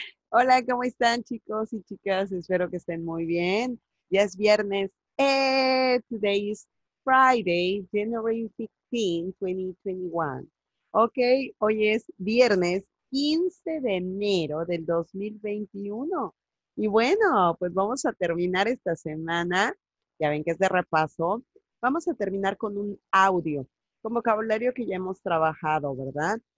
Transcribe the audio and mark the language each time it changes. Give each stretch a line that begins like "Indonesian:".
Spanish: Hola, ¿cómo están, chicos y chicas? Espero que estén muy bien. Ya es viernes.
English: Today is Friday, January 15, 2021.
Spanish: Ok, hoy es viernes 15 de enero del 2021. Y bueno, pues vamos a terminar esta semana. Ya ven que es de repaso. Vamos a terminar con un audio, con vocabulario que ya hemos trabajado, ¿verdad?